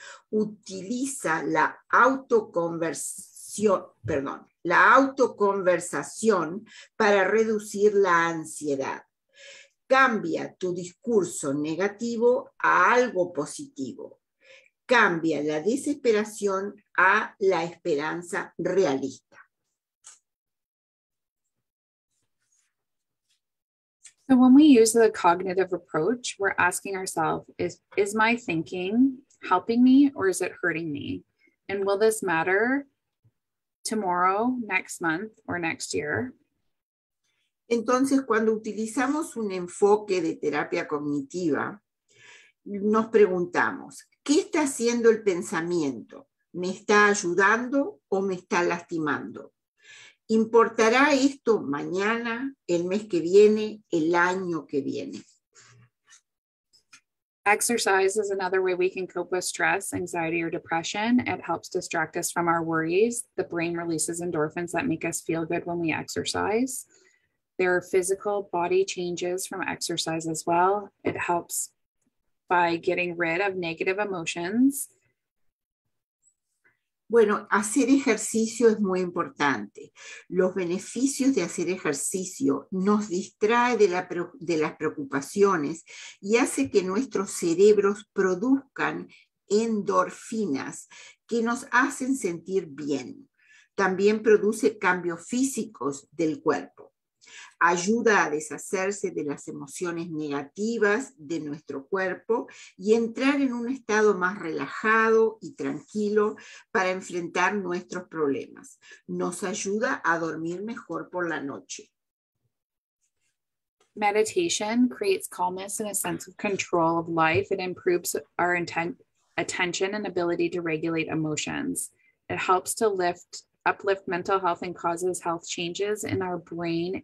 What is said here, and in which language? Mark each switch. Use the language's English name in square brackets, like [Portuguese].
[Spanish] Utiliza la autoconversión, perdón, la autoconversación para reducir la ansiedad. Cambia tu discurso negativo a algo positivo. Cambia la desesperación a la esperanza realista. [English] So when we use the cognitive approach, we're asking ourselves, is my thinking helping me or is it hurting me? And will this matter tomorrow, next month, or next year? [Spanish] Entonces, cuando utilizamos un enfoque de terapia cognitiva, nos preguntamos, ¿qué está haciendo el pensamiento? ¿Me está ayudando o me está lastimando? ¿Importará esto mañana, el mes que viene, el año que viene? [English] Exercise is another way we can cope with stress, anxiety, or depression. It helps distract us from our worries. The brain releases endorphins that make us feel good when we exercise. There are physical body changes from exercise as well. It helps by getting rid of negative emotions. [Spanish] Bueno, hacer ejercicio es muy importante. Los beneficios de hacer ejercicio nos distrae de las preocupaciones y hace que nuestros cerebros produzcan endorfinas que nos hacen sentir bien. También produce cambios físicos del cuerpo. Ayuda a deshacerse de las emociones negativas de nuestro cuerpo y entrar en un estado más relajado y tranquilo para enfrentar nuestros problemas. Nos ayuda a dormir mejor por la noche. [English] Meditation creates calmness and a sense of control of life. It improves our attention and ability to regulate emotions. It helps to uplift mental health and causes health changes in our brain.